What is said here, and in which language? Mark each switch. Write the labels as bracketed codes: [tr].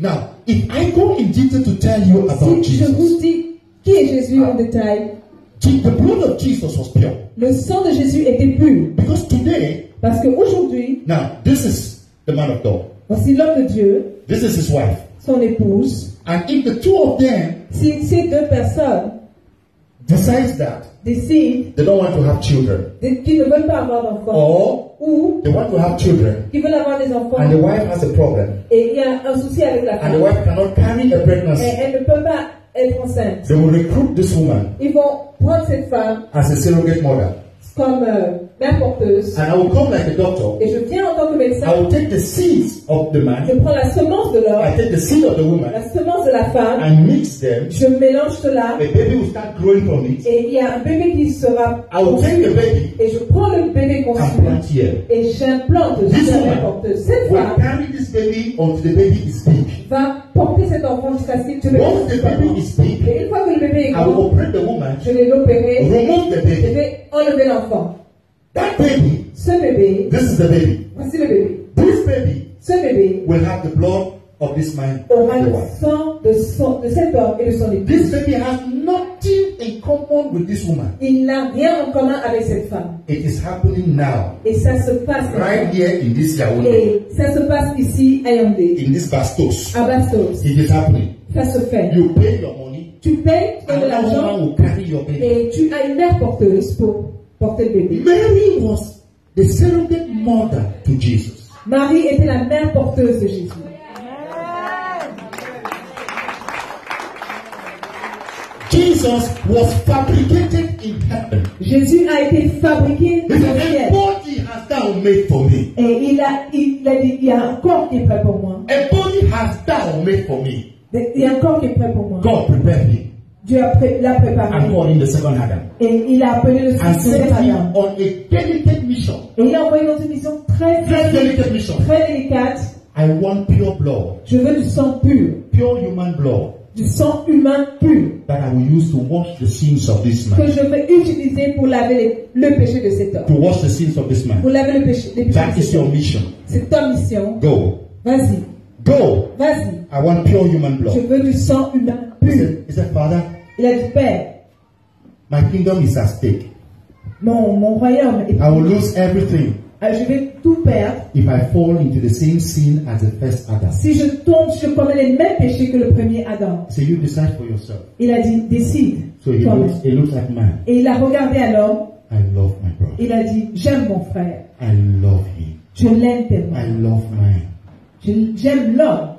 [en] Now, if I go in detail to tell you about [fr] si Si je vous dis qui est Jésus en détail. [en] The blood of Jesus was pure. [fr] Le sang de Jésus était pur. [en] Because today. [fr] Parce que aujourd'hui. [en] Now, this is the man of God. [fr] Voici l'homme de Dieu. [en] This is his wife. [fr] Son épouse. [en] And if the two of them. [fr] Si ces deux personnes. [en] Decides that. They don't want to have children. [fr] Qui ne veulent pas avoir d'enfants. [en] Or, they want to have children. [fr] Qui veulent avoir des enfants. [en] And the wife has a problem. [fr] Et il y a un souci avec la femme. [en] And the wife cannot carry a pregnancy. [fr] Et elle ne peut pas être enceinte. [en] They will recruit this woman. [fr] Ils vont prendre cette femme. [en] As a surrogate mother. [fr] Comme mère porteuse. [en] And I will come like a doctor. [fr] Et je viens en tant que médecin. [en] I will take the seeds of the man. [fr] Je prends la semence de l'homme. [en] I take the seed of the woman. [fr] La semence de la femme. [en] And mix them. [fr] Je mélange cela. [en] A baby will start growing from it. [fr] Et il y a un bébé qui sera. [en] I will take the baby. [fr] Et je prends le bébé conçu. [en] And plant here. [fr] Et j'implante [en] this [fr] mère porteuse. Cette femme. [en] Will carry this baby until the baby is big. [fr] Va porter cet enfant jusqu'à ce que tu le [en] Once the baby is big. [fr] Et une fois que le bébé est grand. [en] I will operate the woman. [fr] Je vais l'opérer. [en] Remove the baby. [fr] Je vais enlever l'enfant. [en] That baby, [fr] ce bébé, [en] this is the baby. [fr] Voici le bébé. [en] This baby, [fr] ce bébé, [en] will have the blood of this man. [fr] Aura le sang de son, de cet homme et de son épouse. [en] This baby has nothing in common with this woman. [fr] Il n'a rien en commun avec cette femme. [en] It is happening now. [fr] Et ça se passe [en] right Here in this Yaoundé. [fr] Et ça se passe ici à Yaoundé. [en] In this Bastos. [fr] À Bastos. [en] It is happening. [fr] Ça se fait. [en] You pay your money. [fr] Tu payes ton argent. [en] Will carry your baby. [fr] Et tu as une mère porteuse pour. [en] Mary was the surrogate mother to Jesus. [fr] Marie était la mère porteuse de Jésus. [en] Jesus was fabricated in heaven. [fr] Jésus a été fabriqué dans le ciel. [en] A body has thou made for me. [fr] Et il a dit, il y a un corps qui est prêt pour moi. [en] A body has thou made for me. [fr] Il y a un corps qui est prêt pour moi. [en] God prepared me. [fr] Dieu l'a préparé. [en] And calling the second Adam. [fr] Et il a appelé le second Adam. [en] On a delicate mission. [fr] Et il a envoyé dans une mission très mission. Très délicate. [en] I want pure blood. [fr] Je veux du sang pur. [en] Pure human blood. [fr] du sang humain pur [en] that I will use to wash the sins of this man. [fr] Que je vais utiliser pour laver le péché de cet homme. [en] To wash the sins of this man. [fr] Pour laver le péché de cet homme. [en] That is your mission. [fr] C'est ta mission. [en] Go. [fr] Vas-y. [en] Go. [fr] Vas-y. [en] I want pure human blood. [fr] Je veux du sang humain pur. [en] Is that Father? [fr] Il a dit Père. [en] My kingdom is at stake. [fr] Mon royaume est. [en] I will lose everything. [fr] Je vais tout perdre. [en] If I fall into the same sin as the first Adam. [fr] Si je tombe, je commets les mêmes péchés que le premier Adam. [en] So you decide for yourself. [fr] Il a dit, décide. [en] So he looks at man. [fr] Et il a regardé à l'homme. [en] I love my brother. [fr] Il a dit, j'aime mon frère. [en] I love him. [fr] Je l'aime tellement. [en] I love mine. [fr] J'aime l'homme.